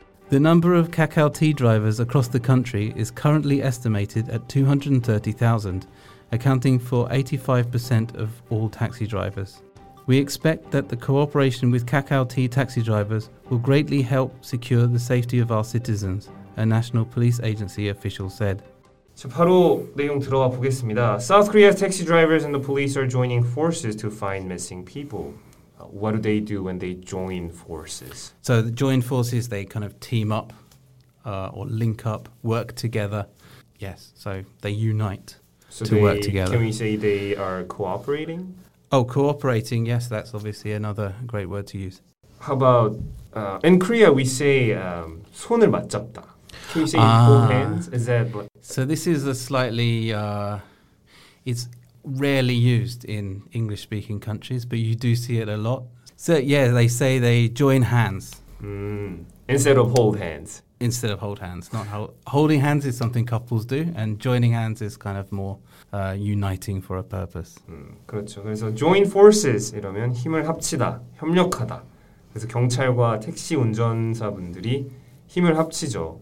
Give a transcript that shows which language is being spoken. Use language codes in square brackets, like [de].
[en] The number of Kakao T drivers across the country is currently estimated at 230,000, accounting for 85% of all taxi drivers. We expect that the cooperation with Kakao T taxi drivers will greatly help secure the safety of our citizens, a national police agency official said. [ko] 자, 바로 내용 들어가 보겠습니다. [en] South Korea's taxi drivers and the police are joining forces to find missing people. What do they do when they join forces? So the join forces, they kind of team up or link up, work together. Yes, so they unite so to they, work together. Can we say they are cooperating? Oh, cooperating, yes, that's obviously another great word to use. How about, in Korea we say 손을 맞잡다. Can you say hold hands? Is that like, so this is a slightly, it's rarely used in English-speaking countries, but you do see it a lot. So, yeah, they say they join hands. Instead of hold hands. Instead of hold hands. Not holding hands is something couples do, and joining hands is kind of more uniting for a purpose. [ko] 그렇죠. 그래서 join forces 이러면 힘을 합치다, 협력하다. 그래서 경찰과 택시 운전사분들이 힘을 합치죠.